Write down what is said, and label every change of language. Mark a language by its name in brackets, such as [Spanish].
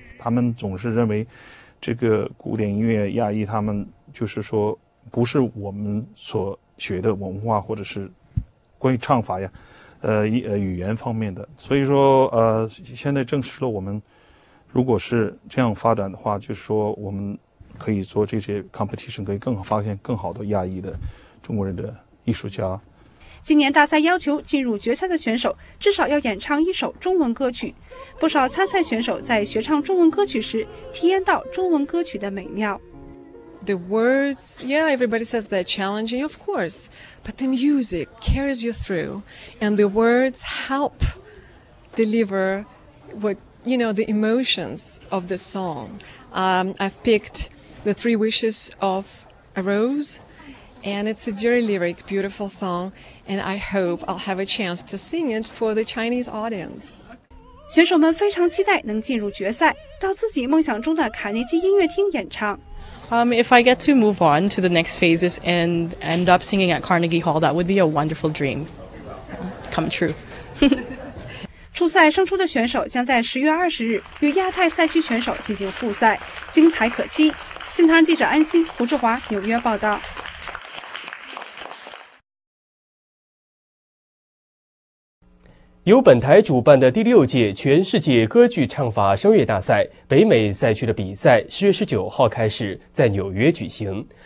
[Chinese] 他们总是认为这个古典音乐亚裔他们就是说不是我们所学的文化或者是关于唱法呀语言方面的，所以说现在证实了我们如果是这样发展的话，就是说我们可以做这些 competition， 可以更发现更好的亚裔的中国人的艺术家。今年大赛要求进入决赛的选手至少要演唱一首中文歌曲，不少参赛选手在学唱中文歌曲时体验到中文歌曲的美妙。 [English] The words, yeah, everybody says they're challenging, of course, but the music carries you through, and the words help deliver what, you know, the emotions of the song. I've picked the 3 wishes of a rose, and it's a very lyric, beautiful song, and I hope I'll have a chance to sing it for the Chinese audience. [Chinese] 选手们非常期待能进入决赛，到自己梦想中的卡内基音乐厅演唱。 [English] If I get to move on to the next phases and end up singing at Carnegie Hall, that would be a wonderful dream come true. [Chinese] 初赛胜出的选手将在10月20日与亚太赛区选手进行复赛，精彩可期。新唐人记者安心、胡志华，纽约报道。由本台主办的第六届全世界歌剧唱法声乐大赛北美赛区的比赛10月19号开始在纽约举行。